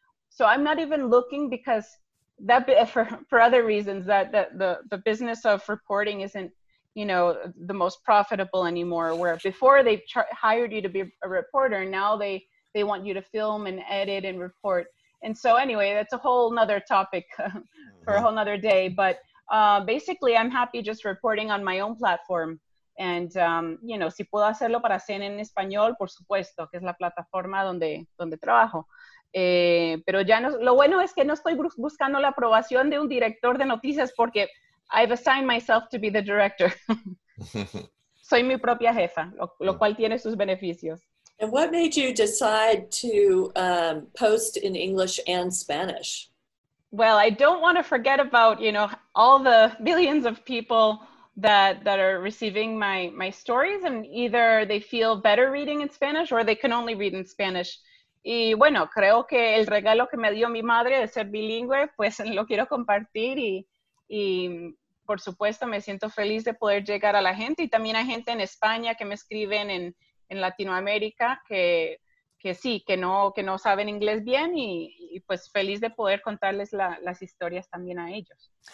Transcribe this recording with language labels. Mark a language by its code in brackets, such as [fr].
[en] So I'm not even looking because that for other reasons that the business of reporting isn't, you know, the most profitable anymore, where before they hired you to be a reporter. Now they want you to film and edit and report. And so anyway, that's a whole nother topic for a whole nother day. But basically, I'm happy just reporting on my own platform. And, you know, [es] si puedo hacerlo para CNN en español, por supuesto, que es la plataforma donde trabajo. Pero ya no, lo bueno es que no estoy buscando la aprobación de un director de noticias porque [en] I've assigned myself to be the director. [es] Soy mi propia jefa, lo cual tiene sus beneficios. [en] And what made you decide to post in English and Spanish? Well, I don't want to forget about, you know, all the millions of people that are receiving my stories, and either they feel better reading in Spanish or they can only read in Spanish. [es] Y bueno, creo que el regalo que me dio mi madre de ser bilingüe, pues lo quiero compartir y por supuesto me siento feliz de poder llegar a la gente y también a gente en España que me escriben en Latinoamérica que no saben inglés bien y pues feliz de poder contarles las historias también a ellos.